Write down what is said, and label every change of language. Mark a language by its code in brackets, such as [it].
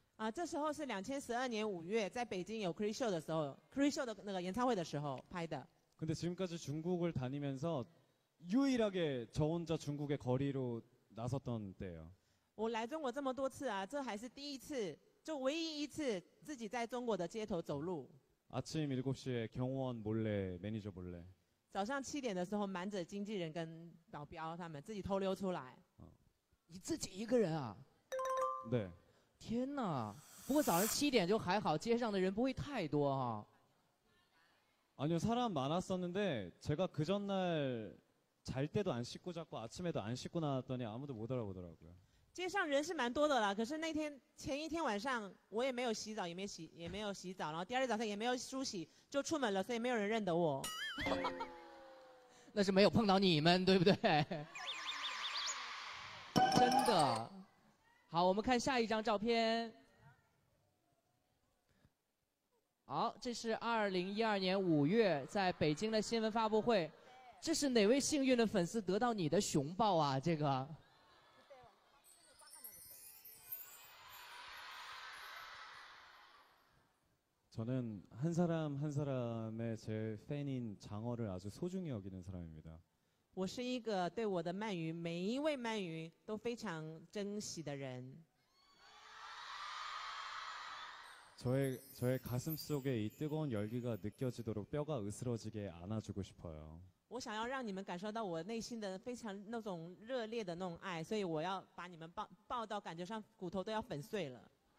[zh] 아这时候是2012年5月在北京有 Krisho 的时候 ，Krisho 的那个演唱会的时候拍的。 [ko] 근데지금까지중국을다니면서유일하게저혼자중국의거리로나섰던때요 [zh] 我来中国这么多次啊，这还是第一次，就唯一一次自己在中国的街头走路。 [ko] 아침7시에경호원몰래매니저몰래 [zh] 早上7点的时候，瞒着经纪人跟保镖他们自己偷溜出来。你自己一个人啊？对。天哪，不过早上7点就还好，街上的人不会太多哈。 [ko] 아니요, 사람 많았었는데 제가 그 전날 잘 때도 안 씻고 자고 아침에도 안 씻고 나왔더니 아무도 못 알아보더라고요. [zh] 街上人是蛮多的啦，可是那天前一天晚上我也没有洗澡，也没洗，也没有洗澡，然后第二天早上也没有梳洗，就出门了，所以没有人认得我。那是没有碰到你们，对不对？真的。好，我们看下一张照片。好，这是2012年5月在北京的新闻发布会，这是哪位幸运的粉丝得到你的熊抱啊？这个。 [ko] 저는 한 사람 한 사람의 제 팬인 장어를 아주 소중히 여기는 사람입니다. [zh] 我是一个对我的鳗鱼每一位鳗鱼都非常珍惜的人. [ko] 저의 가슴 속에 이 뜨거운 열기가 느껴지도록 뼈가 으스러지게 안아주고 싶어요. [zh] 我想要让你们感受到我内心的非常那种热烈的那种爱，所以我要把你们抱到感觉上骨头都要粉碎了。